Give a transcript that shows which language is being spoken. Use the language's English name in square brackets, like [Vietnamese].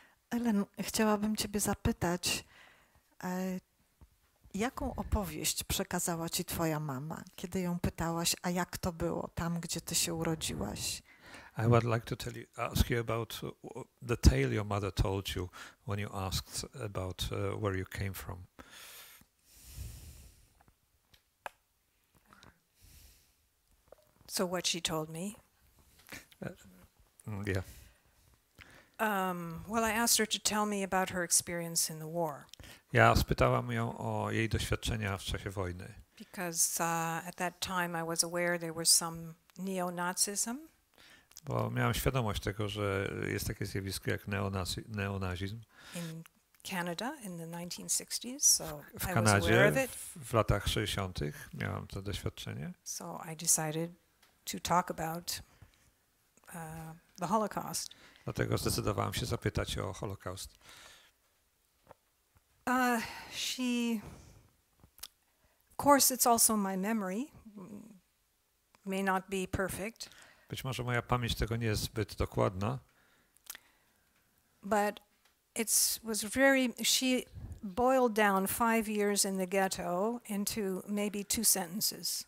[Polish] Ellen, chciałabym Ciebie zapytać, jaką opowieść przekazała Ci Twoja mama, kiedy ją pytałaś, a jak to było tam, gdzie Ty się urodziłaś? [English] I would like to tell you, ask you about the tale your mother told you when you asked about where you came from. So what she told me? Yeah. Well, I asked her to tell me about her experience in the war. [Polish] Ja spytałam ją o jej doświadczenia w czasie wojny. [English] Because at that time I was aware there was some neo-Nazism. [Polish] Bo miałam świadomość tego, że jest takie zjawisko jak neonazizm. [English] In Canada in the 1960s, so [Polish] w Kanadzie, [English] I was aware of it. [Polish] W latach 60. miałam to doświadczenie. [English] So I decided to talk about the Holocaust. [Polish] Dlatego zdecydowałam się zapytać o Holokaust. [English] Of course it's also my memory. May not be perfect. [Polish] Być może moja pamięć tego nie jest zbyt dokładna. [English] But it's was very she boiled down 5 years in the ghetto into maybe two sentences.